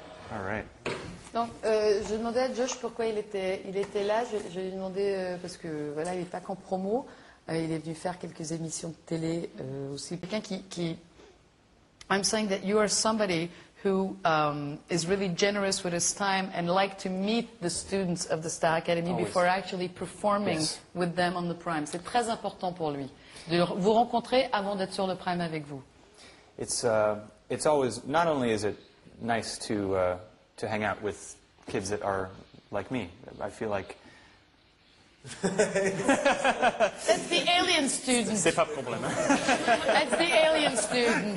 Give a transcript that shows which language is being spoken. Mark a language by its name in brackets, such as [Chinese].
[English] All right. [French] Donc, je demandais à Josh pourquoi il était là. Je lui demandais, parce que voilà, il n'est pas qu'en promo. Il est venu faire quelques émissions de télé aussi. Quelqu'un qui. [English] I'm saying that you are somebody who is really generous with his time and like to meet the students of the Star Academy always. Before actually performing yes. with them on the Prime. [French] C'est très important pour lui de vous rencontrer avant d'être sur le Prime avec vous. [English] It's always, not only is it nice to hang out with kids that are like me, I feel like... That's the alien student. [French] C'est pas problème. [English] That's the alien student.